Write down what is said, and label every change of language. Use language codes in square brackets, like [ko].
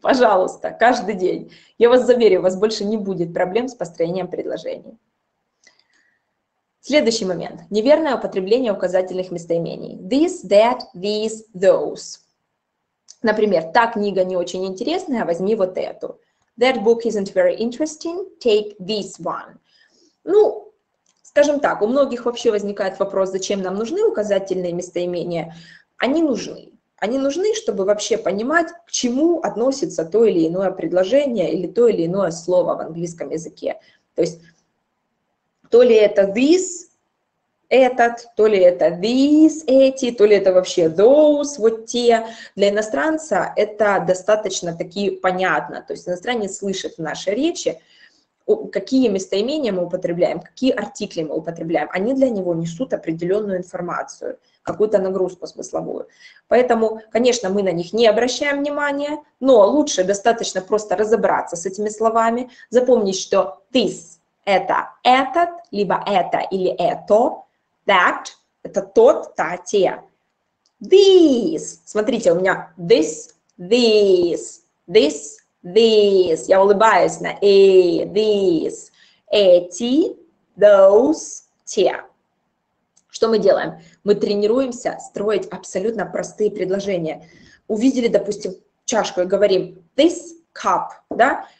[ru] Пожалуйста, каждый день. Я вас заверю, у вас больше не будет проблем с построением предложений. Следующий момент. Неверное употребление указательных местоимений. [en] This, that, these, those. [ru] Например, та книга не очень интересная, возьми вот эту. [en] That book isn't very interesting, take this one. [ru] Ну, скажем так, у многих вообще возникает вопрос, зачем нам нужны указательные местоимения. Они нужны. Они нужны, чтобы вообще понимать, к чему относится то или иное предложение или то или иное слово в английском языке. То есть, то ли это this, этот, то ли это these, эти, то ли это вообще those, вот те. Для иностранца это достаточно таки понятно. То есть иностранец слышит в нашей речи, какие местоимения мы употребляем, какие артикли мы употребляем. Они для него несут определенную информацию, какую-то нагрузку смысловую. Поэтому, конечно, мы на них не обращаем внимания, но лучше достаточно просто разобраться с этими словами, запомнить, что this – это этот, либо это или это, that – это тот, та, те. This – смотрите, у меня this, this, this, this. Я улыбаюсь на «э», this. Эти, those, те. Что мы делаем? Мы тренируемся строить абсолютно простые предложения. Увидели, допустим, чашку и говорим [en] «this cup», [ru] да?